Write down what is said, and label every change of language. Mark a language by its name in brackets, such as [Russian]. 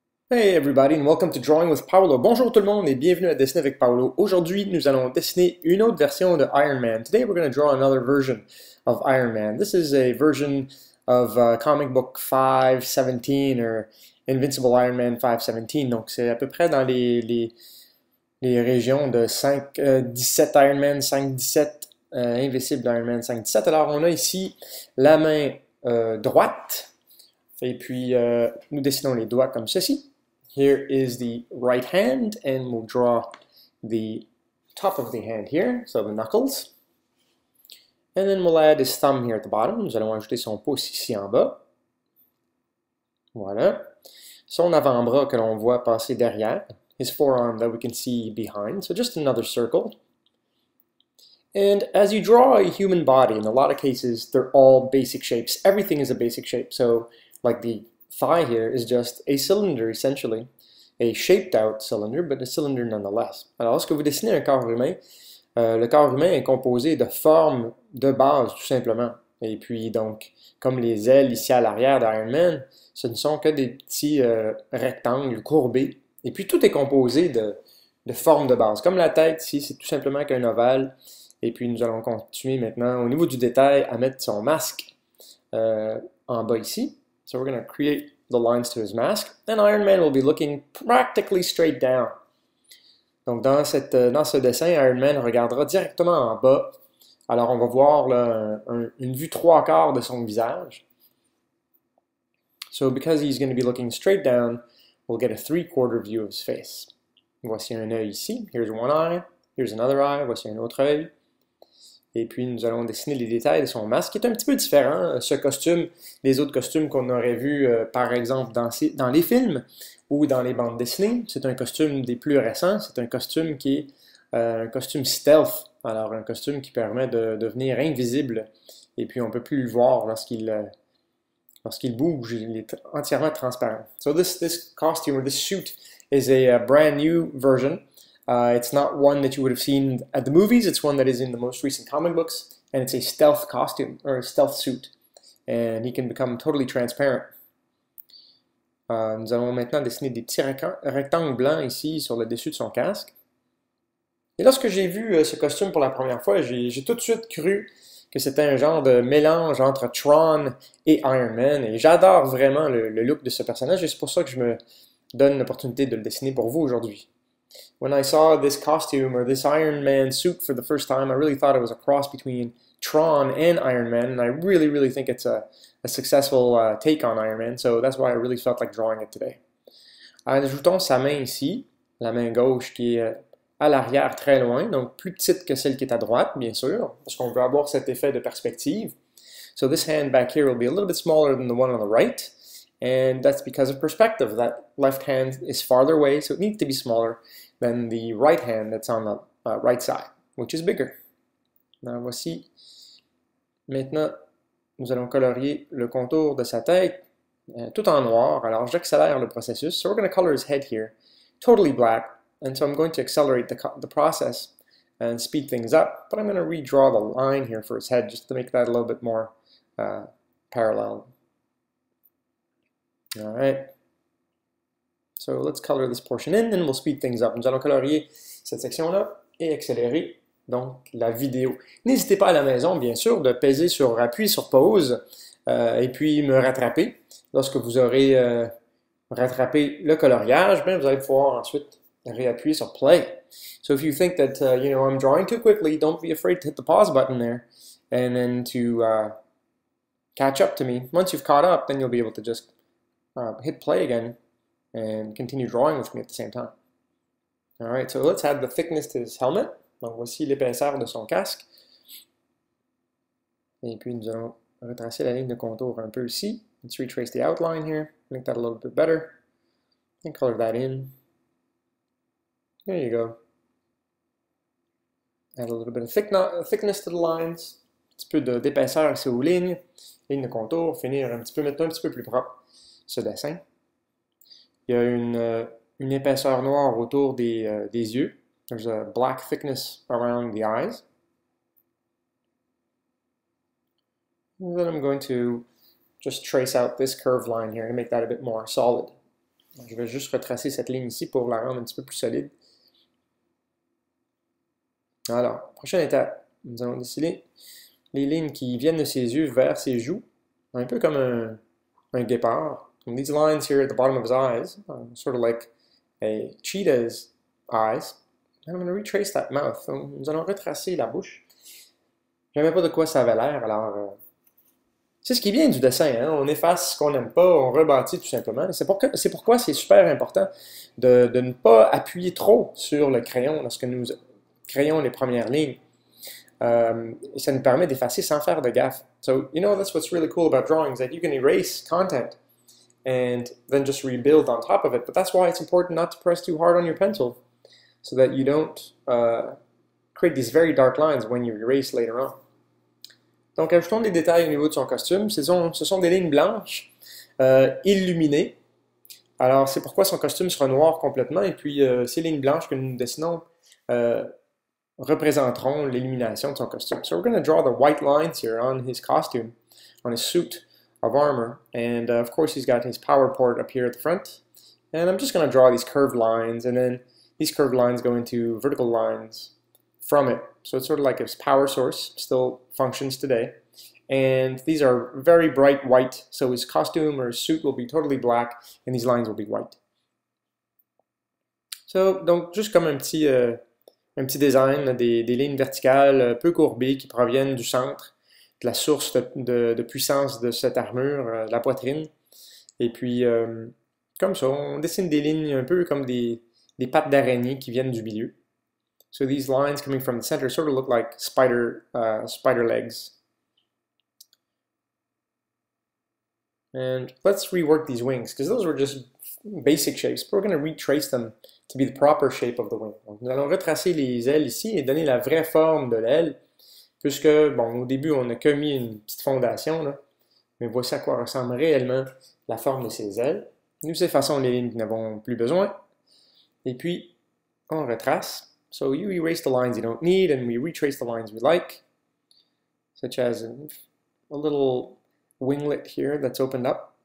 [English] Hey everybody and welcome to Drawing with Paolo. [French] Bonjour tout le monde et bienvenue à Dessiner avec Paolo. Aujourd'hui, nous allons dessiner une autre version de Iron Man. [English] Today we're going to draw another version of Iron Man. This is a version of comic book 517 or Invincible Iron Man 517. [French] Donc c'est à peu près dans les régions de 517 Iron Man, 517 Invincible Iron Man 517. Alors on a ici la main droite. Et puis, nous dessinons les doigts comme ceci. [English] Here is the right hand, and we'll draw the top of the hand here, so the knuckles. And then we'll add his thumb here at the bottom. [French] Nous allons ajouter son pouce ici en bas. Voilà. Son avant-bras que l'on voit passer derrière. [English] His forearm that we can see behind. So just another circle. And as you draw a human body, in a lot of cases, they're all basic shapes. Everything is a basic shape, so like the thigh here is just a cylinder, essentially. A shaped out cylinder, but a cylinder nonetheless. [French] Alors, lorsque vous dessinez un corps humain, le corps humain est composé de formes de base, tout simplement. Et puis, donc, comme les ailes ici à l'arrière d'Iron Man, ce ne sont que des petits rectangles courbés. Et puis, tout est composé de formes de base. Comme la tête ici, c'est tout simplement qu'un ovale. Et puis, nous allons continuer maintenant, au niveau du détail, à mettre son masque en bas ici. [English] So we're going to create the lines to his mask, and Iron Man will be looking practically straight down. [French] Donc dans ce dessin, Iron Man regardera directement en bas. Alors on va voir là, une vue trois quarts de son visage. [English] So because he's going to be looking straight down, we'll get a three-quarter view of his face. [French] Voici un œil ici, [English] here's one eye, here's another eye, [French] voici un autre œil. Et puis, nous allons dessiner les détails de son masque, qui est un petit peu différent, ce costume, des autres costumes qu'on aurait vus, par exemple, dans les films ou dans les bandes dessinées. C'est un costume des plus récents. C'est un costume qui est un costume stealth. Alors, un costume qui permet de devenir invisible. Et puis, on ne peut plus le voir lorsqu'il bouge. Il est entièrement transparent. [English] So, this costume, or this suit, is a brand new version. It's not one that you would have seen at the movies, it's one that is in the most recent comic books, and it's a stealth costume, or a stealth suit, and he can become totally transparent. [French] Nous allons maintenant dessiner des petits rectangles blancs ici sur le dessus de son casque. Et lorsque j'ai vu ce costume pour la première fois, j'ai tout de suite cru que c'était un genre de mélange entre Tron et Iron Man, et j'adore vraiment le look de ce personnage, et c'est pour ça que je me donne l'opportunité de le dessiner pour vous aujourd'hui. [English] When I saw this costume or this Iron Man suit for the first time, I really thought it was a cross between Tron and Iron Man, and I really, really think it's a successful take on Iron Man, so that's why I really felt like drawing it today. [French] Ajoutons sa main ici, la main gauche qui est à l'arrière très loin, donc plus petite que celle qui est à droite, bien sûr, parce qu'on veut avoir cet effet de perspective. [English] So this hand back here will be a little bit smaller than the one on the right. And that's because of perspective. That left hand is farther away, so it needs to be smaller than the right hand that's on the right side, which is bigger. Now, [French] voici. Maintenant, nous allons colorier le contour de sa tête tout en noir. Alors, j'accélère le processus. [English] So, we're going to color his head here totally black. And so, I'm going to accelerate the process and speed things up. But I'm going to redraw the line here for his head just to make that a little bit more parallel. All right, so let's color this portion in, and we'll speed things up. [French] Nous allons colorier cette section-là et accélérer donc la vidéo. N'hésitez pas à la maison, bien sûr, de peser sur appui sur pause et puis me rattraper. Lorsque vous aurez rattrapé le coloriage, bien, vous allez pouvoir ensuite réappuyer sur play. [English] So if you think that you know I'm drawing too quickly, don't be afraid to hit the pause button there, and then to catch up to me. Once you've caught up, then you'll be able to just hit play again and continue drawing with me at the same time. Alright, so let's add the thickness to his helmet. [French] Donc voici l'épaisseur de son casque. Et puis nous allons retracer la ligne de contour un peu ici. [English] Let's retrace the outline here. Make that a little bit better. And color that in. There you go. Add a little bit of thickness to the lines. [French] Un petit peu d'épaisseur ici aux lignes. Ligne de contour. Finir un petit peu maintenant un petit peu plus propre. Ce dessin. Il y a une épaisseur noire autour des yeux. [English] There's a black thickness around the eyes. And then I'm going to just trace out this curved line here and make that a bit more solid. [French] Je vais juste retracer cette ligne ici pour la rendre un petit peu plus solide. Alors, prochaine étape, nous allons dessiner les lignes qui viennent de ses yeux vers ses joues, un peu comme un guépard. [English] These lines here at the bottom of his eyes, sort of like a cheetah's eyes. I'm going to retrace that mouth. [French] Donc, nous allons retracer la bouche. Je n'aimais pas de quoi ça avait l'air, alors. C'est ce qui vient du dessin, hein? On efface ce qu'on n'aime pas, on rebâtit tout simplement. C'est pourquoi c'est super important de ne pas appuyer trop sur le crayon lorsque nous créons les premières lignes. Ça nous permet d'effacer sans faire de gaffe. [English] So, you know, that's what's really cool about drawings, that you can erase content and then just rebuild on top of it. But that's why it's important not to press too hard on your pencil, so that you don't create these very dark lines when you erase later on. [French] Donc, ajoutons des détails au niveau de son costume. Ce sont des lignes blanches, illuminées. Alors, c'est pourquoi son costume sera noir complètement. Et puis, ces lignes blanches que nous dessinons représenteront l'illumination de son costume. [English] So, we're going to draw the white lines here on his costume, on his suit of armor. And, of course, he's got his power port up here at the front. And I'm just going to draw these curved lines. And then, these curved lines go into vertical lines from it. So it's sort of like its power source still functions today. And these are very bright white, so his costume or his suit will be totally black and these lines will be white. [French] So, donc, juste comme un petit design, des lignes verticales peu courbées qui proviennent du centre, de la source de puissance de cette armure, de la poitrine. Et puis, comme ça, on dessine des lignes un peu comme des pattes d'araignée qui viennent du milieu. [English] So these lines coming from the center sort of look like spider legs. And let's rework these wings, because those were just basic shapes, but we're going to retrace them to be the proper shape of the wing. [French] Donc, nous allons retracer les ailes ici et donner la vraie forme de l'aile, puisque, bon, au début, on n'a que mis une petite fondation, là, mais voici à quoi ressemble réellement la forme de ces ailes. Nous effaçons les lignes que nous n'avons plus besoin, et puis, on retrace. [English] So you erase the lines you don't need, and we retrace the lines we like, such as a little winglet here that's opened up.